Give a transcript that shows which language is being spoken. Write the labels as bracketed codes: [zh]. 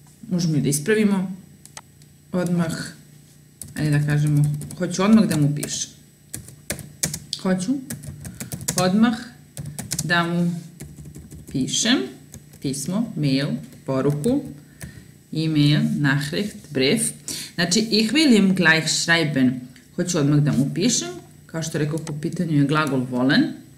[sr] Možemo da ispravimo odmah, ali da kažemo hoću odmah da mu pišem. Hoću odmah da mu pišem pismo, mail, poruku. [de] E-mail, Nachricht, Brief. Znači, ich will ihm gleich schreiben. [sr] Hoću odmah da mu pišem. Kao što rekao, po pitanju je glagol wollen.